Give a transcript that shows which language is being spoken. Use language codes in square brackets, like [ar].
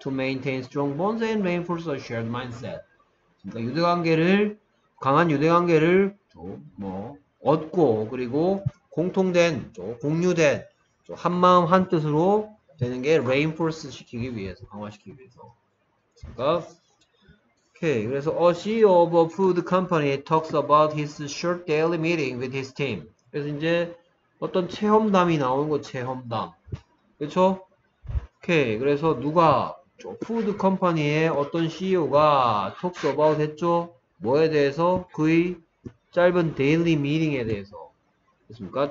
[en] To maintain strong bonds and reinforce a shared mindset. [ko] 그러니까 유대관계를 강한 유대관계를 뭐 얻고 그리고 공통된 또 공유된 또한 마음 한 뜻으로 되는 게 reinforce 시키기 위해서 강화시키기 위해서. 그러니까 오케이 [en] okay, [ko] 그래서 [en] a CEO of a food company talks about his short daily meeting with his team. [ko] 그래서 이제 어떤 체험담이 나오는 거 체험담. 그렇죠? 오케이 okay, 그래서 누가 저 푸드 컴퍼니의 어떤 CEO가 [en] talks about [ko] 했죠? 뭐에 대해서? 그의 짧은 데일리 미팅에 대해서. 그렇습니까?